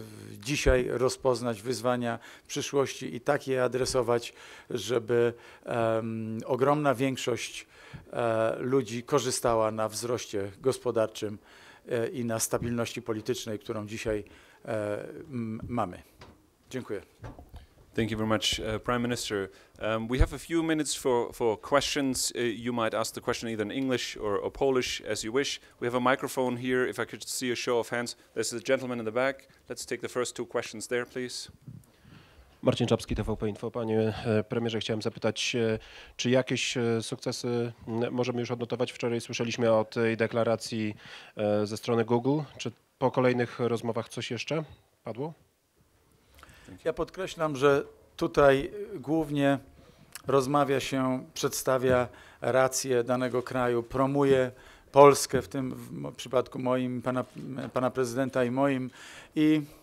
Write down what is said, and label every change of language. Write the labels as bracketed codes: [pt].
[pl] dzisiaj rozpoznać wyzwania przyszłości i tak je adresować, żeby ogromna większość ludzi korzystała na wzroście gospodarczym i na stabilności politycznej, którą dzisiaj mamy. Dziękuję. [en] Thank you very much, Prime Minister. We have a few minutes for questions. You might ask the question either in English or Polish, as you wish. We have a microphone here. If I could see a show of hands. There's a gentleman in the back. Let's take the first two questions there, please. Marcin Czapski, TVP Info. [pl] Panie premierze, chciałem zapytać, czy jakieś sukcesy możemy już odnotować? Wczoraj słyszeliśmy o tej deklaracji ze strony Google. Czy po kolejnych rozmowach coś jeszcze padło? Ja podkreślam, że tutaj głównie rozmawia się, przedstawia rację danego kraju, promuje Polskę, w tym w przypadku moim, pana prezydenta i moim. I